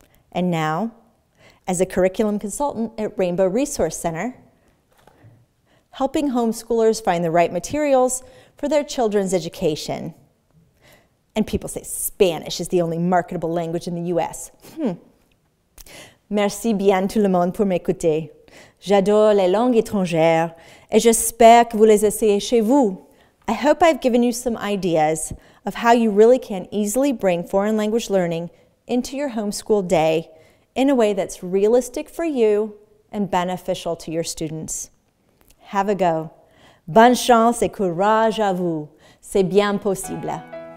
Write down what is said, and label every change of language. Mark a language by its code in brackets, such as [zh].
[en] And now, as a curriculum consultant at Rainbow Resource Center, helping homeschoolers find the right materials for their children's education. And people say Spanish is the only marketable language in the U.S. [fr] Merci bien tout le monde pour m'écouter. J'adore les langues étrangères et j'espère que vous les essayez chez vous. [en] I hope I've given you some ideas of how you really can easily bring foreign language learning into your homeschool day in a way that's realistic for you and beneficial to your students. [fr] Have a go. Bonne chance et courage à vous. C'est bien possible.